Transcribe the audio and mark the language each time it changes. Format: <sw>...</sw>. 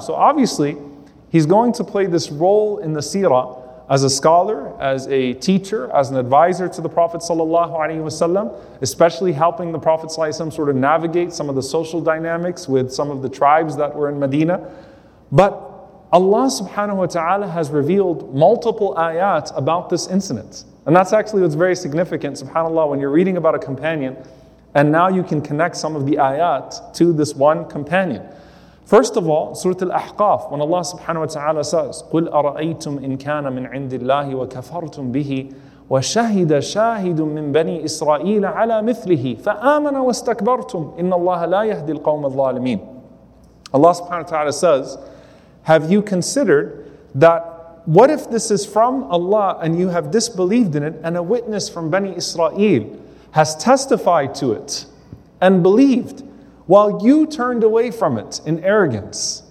<en>So obviously, he's going to play this role in the seerah as a scholar, as a teacher, as an advisor to the Prophet sallallahu alaihi wasallam, especially helping the Prophet sallallahu alaihi wasallam sort of navigate some of the social dynamics with some of the tribes that were in Medina. But Allah subhanahu wa ta'ala has revealed multiple ayat about this incident. And that's actually what's very significant, subhanAllah, when you're reading about a companion, and now you can connect some of the ayat to this one companion. First of all, Surah Al-Ahqaf, when Allah subhanahu wa ta'ala says,</en> <ar>قُلْ أَرَأَيْتُمْ إِنْ كَانَ مِنْ عِنْدِ اللَّهِ وَكَفَرْتُمْ بِهِ وَشَهِدَ شَاهِدٌ مِّنْ بَنِي إِسْرَائِيلَ عَلَىٰ مِثْلِهِ فَآمَنَ وَاسْتَكْبَرْتُمْ إِنَّ اللَّهَ لَا يَهْدِي الْقَوْمَ الظَّالِمِينَ.</ar> <en>Allah subhanahu wa ta'ala says, have you considered that what if this is from Allah and you have disbelieved in it and a witness from Bani Israel has testified to it and believed, while you turned away from it in arrogance?</en>